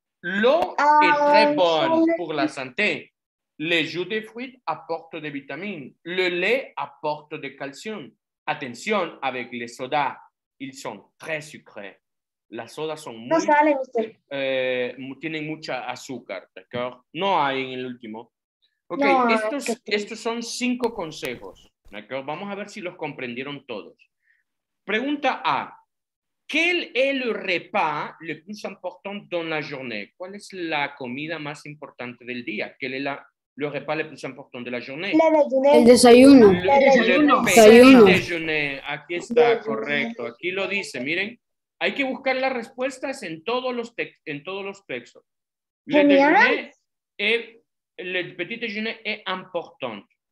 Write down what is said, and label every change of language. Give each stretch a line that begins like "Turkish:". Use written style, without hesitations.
French: L'eau est très bonne pour la santé. Les jus de fruits apportent des vitamines. Le lait apporte des calcium. Atención, avec les sodas, ils sont très sucrés.
Spanish: Las sodas son muy... No sale, tienen mucha azúcar, ¿de acuerdo? No hay en el último. Ok, no, estos son 5 consejos, ¿de acuerdo? Vamos a ver si los comprendieron todos. Pregunta A.
French: ¿Quel est le repas le plus important dans la journée?
Spanish: ¿Cuál es la comida más importante del día?
French: ¿Quel est le repas le plus important de la journée?
Spanish: El desayuno. Aquí está, correcto. Aquí lo dice, miren. Hay que buscar las respuestas en todos los textos.
French: Le petit déjeuner est important.